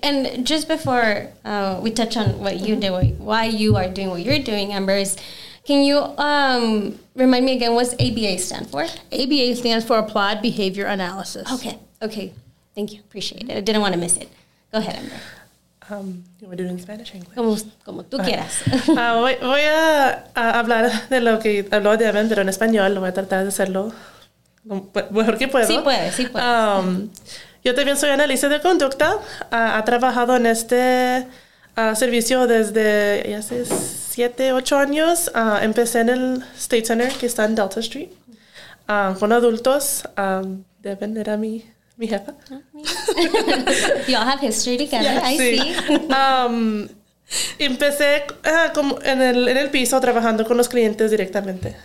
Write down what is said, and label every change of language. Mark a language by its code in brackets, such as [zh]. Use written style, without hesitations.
[en] And just before we touch on what you do, why you are doing what you're doing, Amber, is can you remind me again, what's ABA stand for? ABA stands for Applied Behavior Analysis. Okay. Thank you. Appreciate it. I didn't want to miss it. Go ahead, Amber. You want to do it in Spanish or English? [es] Como tú quieras. voy a hablar de lo que habló Devin, pero en español. Voy a tratar de hacerlo lo mejor que puedo. Sí puedes. Yo también soy analista de conducta. He trabajado en este servicio desde, ya sé, 7, 8 años. Empecé en el State Center, que está en Delta Street, con adultos. Devin era mi jefa. [en] You all have history together, yeah, I see. [es] Empecé como en el piso, trabajando con los clientes directamente.